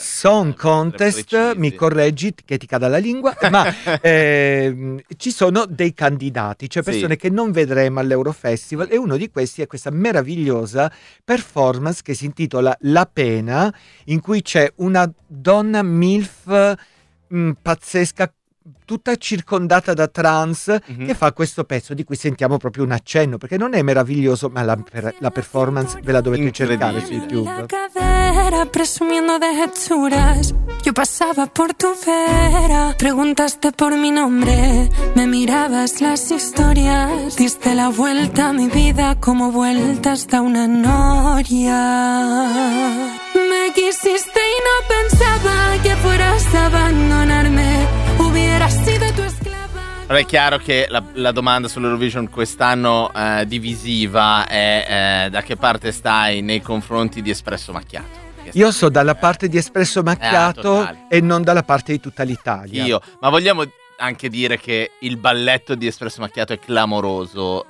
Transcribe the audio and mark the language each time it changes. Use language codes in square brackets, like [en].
[it] Song Contest, mi correggi che ti cada la lingua, ma ci sono dei candidati, cioè persone che non vedremo all'Eurofestival, e uno di questi è questa meravigliosa performance che si intitola La Pena, in cui c'è una donna MILF pazzesca, tutta circondata da trans, che fa questo pezzo di cui sentiamo proprio un accenno, perché non è meraviglioso, ma la performance ve la dovete cercare su YouTube. [es] Presumiendo de hechuras, yo pasaba por tu vera, preguntaste por mi nombre, me mirabas las historias, diste la vuelta a mi vida como vuelta hasta una noria. Me quisiste y no pensaba que fueras a abandonarme. [it] Allora è chiaro che la domanda sull'Eurovision quest'anno divisiva è da che parte stai nei confronti di Espresso Macchiato? Io sono dalla parte di Espresso Macchiato e non dalla parte di tutta l'Italia. Io, ma vogliamo anche dire che il balletto di Espresso Macchiato è clamoroso.